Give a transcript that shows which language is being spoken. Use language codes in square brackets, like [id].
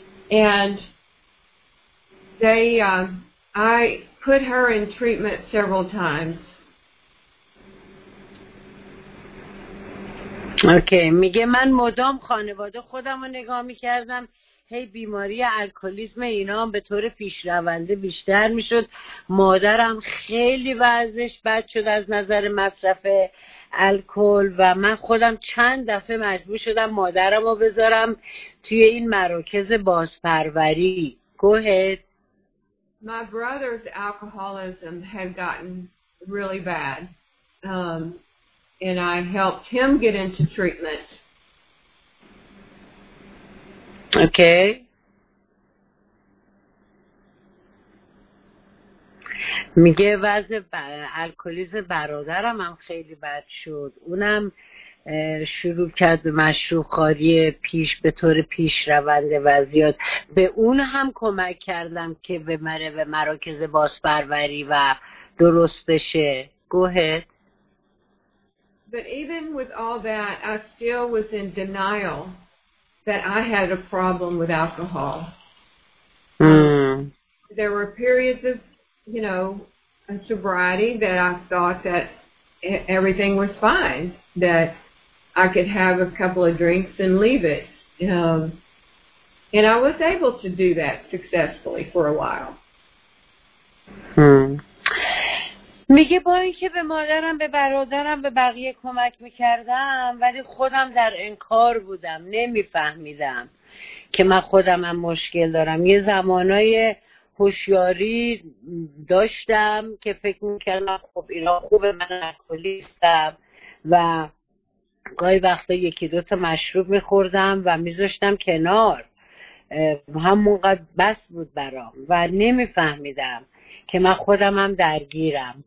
[en] And I put her in treatment several times. Okay. [fa] میگه من مدام خانواده خودم رو نگاه میکردم. هی بیماری الکلیسم اینا هم به طور پیشرونده بیشتر میشد. مادرم خیلی وضعش بد شد از نظر مصرف الکل و من خودم چند دفعه مجبور شدم مادرم رو بذارم توی این مراکز بازپروری. [en] Go ahead. My brother's alcoholism had gotten really bad. And I helped him get into treatment. [fa] اوکی. میگه وضع الکلیز برادرم هم خیلی بد شد، اونم شروع کرد مشروب‌خواری پیش به طور پیش رونده و زیاد. به اون هم کمک کردم که به مره به مراکز بازپروری و درست بشه. [en] Go ahead. But even with all that, I still was in denial that I had a problem with alcohol. There were periods of, you know, sobriety that I thought that everything was fine, that I could have a couple of drinks and leave it. And I was able to do that successfully for a while. [fa] میگه با این که به مادرم، به برادرم، به بقیه کمک میکردم، ولی خودم در انکار بودم، نمیفهمیدم که من خودم هم مشکل دارم. یه زمانای هوشیاری داشتم که فکر میکردم خب اینا خوبه، من الکلیستم و گاهی وقتا یکی دوتا مشروب میخوردم و میذاشتم کنار، همونقدر بس بود برام و نمیفهمیدم که من خودم هم درگیرم.